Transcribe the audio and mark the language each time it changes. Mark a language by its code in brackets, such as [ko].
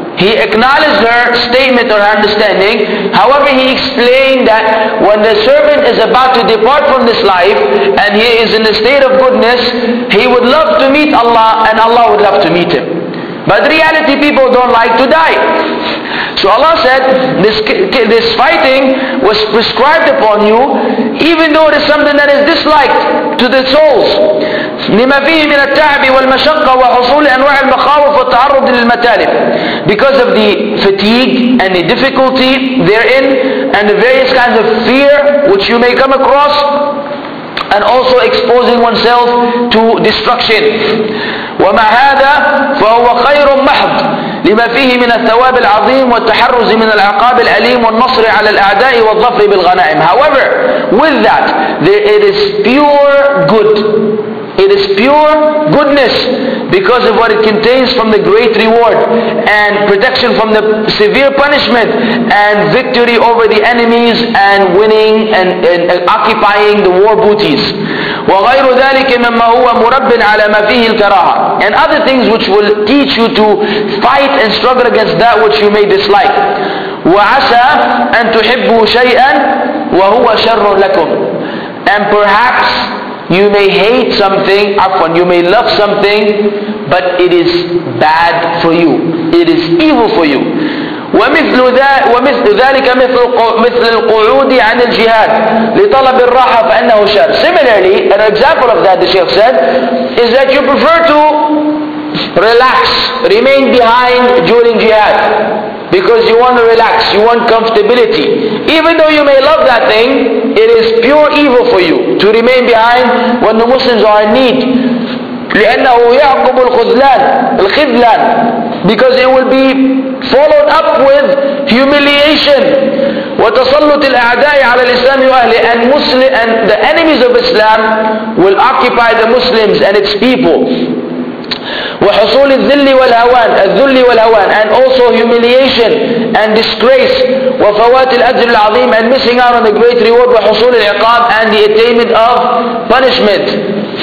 [en] He acknowledged her statement or understanding. However, he explained that when the servant is about to depart from this life and he is in a state of goodness, he would love to meet Allah and Allah would love to meet him. But reality, people don't like to die. So Allah said, this fighting was prescribed upon you even though it is something that is disliked. to the souls. [ar] لما فيه من التعب والمشقة وحصول أنواع المخاوف والتعرض للمتالف. [en] Because of the fatigue and the difficulty therein and the various kinds of fear which you may come across and also exposing oneself to destruction. [ar] ومع هذا فهو خير محض لما فيه من الثواب العظيم والتحرز من العقاب الأليم والنصر على الأعداء والظفر بالغنائم. [en] However, with that, it is pure good. It is pure goodness because of what it contains from the great reward and protection from the severe punishment and victory over the enemies and winning and occupying the war booties. [ar] وغير ذلك مما هو مرب على ما فيه الكراهة. [en] And other things which will teach you to fight and struggle against that which you may dislike. [ar] وعسى أن تحبوا شيئا وهو شر لكم. [en] And perhaps you may hate something, afwan, you may love something, but it is bad for you. It is evil for you. [ar] ومثل ذلك مثل القعود عن الجهاد لطلب الراحة فأنه شر. [en] Similarly, an example of that, the Sheikh said, is that you prefer to relax, remain behind during jihad. Because you want to relax, you want comfortability. Even though you may love that thing, it is pure evil for you to remain behind when the Muslims are in need. [ar] لأنه يعقب الخذلان, الخذلان. [en] Because it will be followed up with humiliation. [ar] وتسلط الأعداء على الإسلام وأهله. [en] And Muslim, and the enemies of Islam will occupy the Muslims and its people. [ar] وحصول الذل والهوان, الذل والهوان, [en] and also humiliation and disgrace. [ar] وفوات الأجر العظيم, [en] and missing out on the great reward. [ar] وحصول العقاب, [en] and the attainment of punishment.